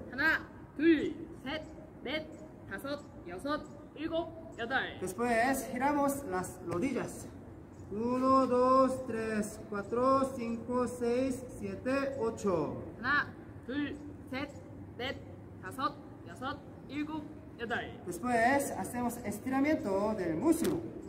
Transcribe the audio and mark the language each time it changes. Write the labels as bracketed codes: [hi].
[ko] 하나, 둘, 셋, 넷, 다섯, 여섯, 일곱, 여덟. [es] Después, giramos las rodillas. 1, 2, 3, 4, 5, 6, 7, 8. [ko] 하나, 둘, 셋, 넷, 다섯, 여섯, 일곱, 여덟. [es] Después, hacemos estiramiento del muslo.